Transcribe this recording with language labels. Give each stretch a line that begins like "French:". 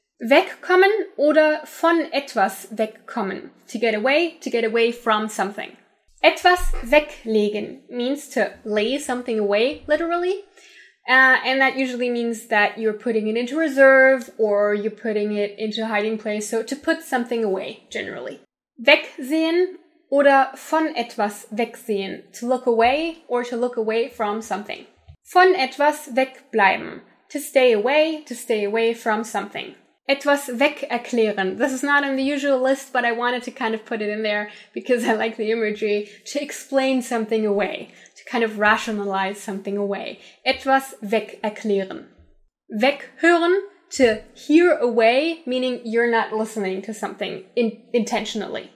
German: Wegkommen oder von etwas wegkommen,
English: to get away from something.
German: Etwas weglegen
English: means to lay something away, literally. And that usually means that you're putting it into reserve or you're putting it into a hiding place, so to put something away, generally.
German: Wegsehen oder von etwas wegsehen,
English: to look away or to look away from something.
German: Von etwas wegbleiben,
English: to stay away from something.
German: Etwas wegerklären,
English: this is not in the usual list, but I wanted to kind of put it in there because I like the imagery, to explain something away, to kind of rationalize something away.
German: Etwas wegerklären. Weghören,
English: to hear away, meaning you're not listening to something intentionally.